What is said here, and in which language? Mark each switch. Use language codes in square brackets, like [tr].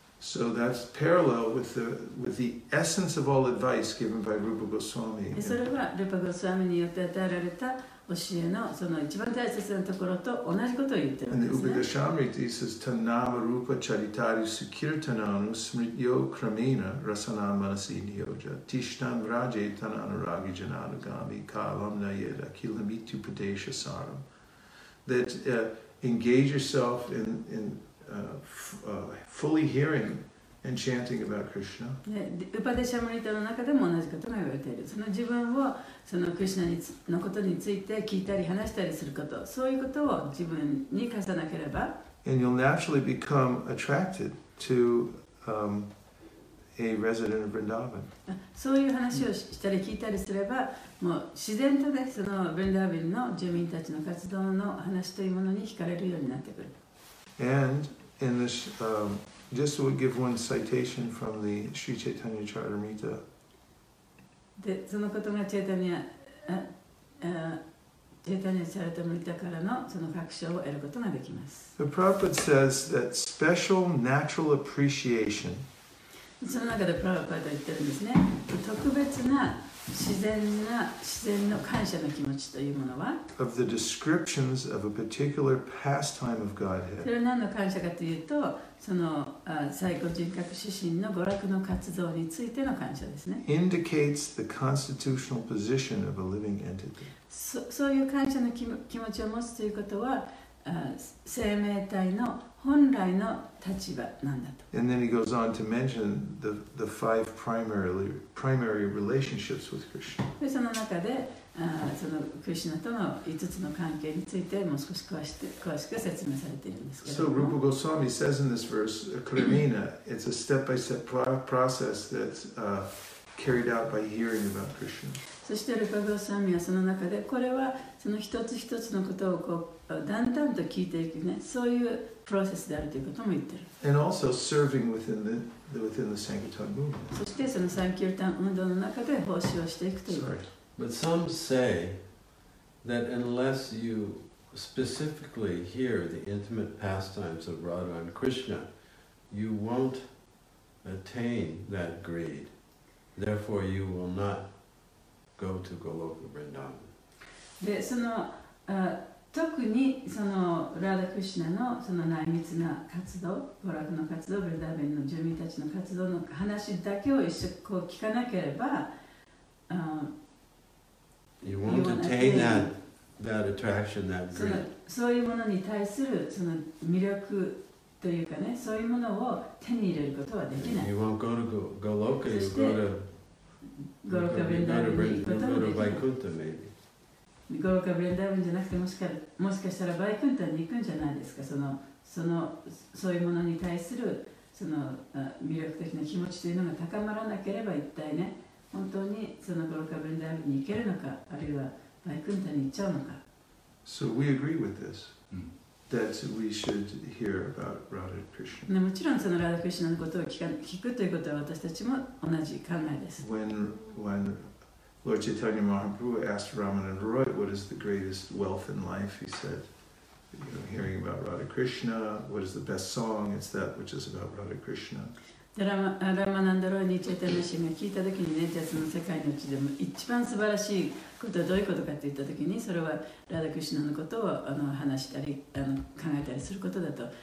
[en] So that's parallel with the essence of all advice given by Rupa Goswami. [ja] それはルパゴスワミによって与えられた教えのその一番大切なところと同じことを言ってるんですね。 [en] And the Upadeshamrita says [sa] Tanama Rupa Charitari Sukirtananu Smrityo Kramina Rasana Manasi Niyoja Tishtan Vraje Tananuragi Jananugami Kavam Nayeda Kilamitu Padesha Saram. [en] That engage yourself in fully hearing and chanting about Krishna. [ja] ウパデシャムリタの中でも同じことが言われている。その自分をそのクリシナのことについて聞いたり話したりすること、そういうことを自分に課さなければ。 [en] And you'll naturally become attracted to a resident of Vrindavan. [ja] そういう話をしたり聞いたりすれば、もう自然とね、そのヴリンダーヴァンの住民たちの活動の話というものに惹かれるようになってくる。 [en] And in this, just to give one citation from the Sri Chaitanya Charitamrita. [ja] で、そのことがチェタニアチャルタムリタからのその確証を得ることができます。 [en] The Prabhupada says that special natural appreciation. [ja] その中でプラヴパーダ言ってるんですね。特別な自然の感謝の気持ちというものは [en] of the descriptions of a particular pastime of Godhead. [ja] それは何の感謝かというとその最高人格指針の娯楽の活動についての感謝ですね [en] indicates the constitutional position of a living entity. [ja] そういう感謝の気持ちを持つということは生命体の本来の立場なんだと。 [en] And then he goes on to mention the five primary relationships with Krishna. [ja] でその中でそのクリシュナとの5つの関係についてもう少し詳しく説明されているんですけど。 [en] So Rupa Goswami says in this verse, Kramina, it's a step-by-step process that's carried out by hearing about Krishna. [ja] そしてルパゴスワミはその中でこれはその一つ一つのことをこうだんだんと聞いていくねそういうプロセスであるということも言ってる。 [en] And also serving within the Sankirtan movement. [ja] そしてそのサンキルタン運動の中で奉仕をしていくという。 [en] But some say that unless you specifically hear the intimate pastimes of Radha and Krishna, you won't attain that greed. Therefore, you will not go to Goloka Vrindavan. [ja] でその特にそのラーダ・クリシュナのその内密な活動、娯楽の活動、ブルダーベンの住民たちの活動の話だけを一緒こう聞かなければ、 [en] You won't attain that attraction, that greed. [ja] そういうものに対するその魅力というかね、そういうものを手に入れることはできない。 [en] You won't go to Goloka, you go to [ja] Goloka Vrindavan に行くことができない。ゴロカブレンダーヴァンじゃなくてもしかしたらバイクンタンに行くんじゃないですか。そういうものに対するその魅力的な気持ちというのが高まらなければ一体ね本当にそのゴロカブレンダーヴァンに行けるのかあるいはバイクンタンに行っちゃうのか。 [en] So we agree with this. That we should hear about Radha Krishna. [ja] もちろんそのラダクリシュナのことを聞くということは私たちも同じ考えです。 [en] When Lord Chaitanya Mahaprabhu asked Ramanand Roy, what is the greatest wealth in life? He said, you know, hearing about Radha Krishna, what is the best song? It's that which is about Radha Krishna. [ja] Ramanand Roy に Chaitanya Shin が聞いたときにね、じゃあその世界のうちでも一番素晴らしいことはどういうことかって言ったときに、それはRadha Krishnaのことを話したり考えたりすることだと。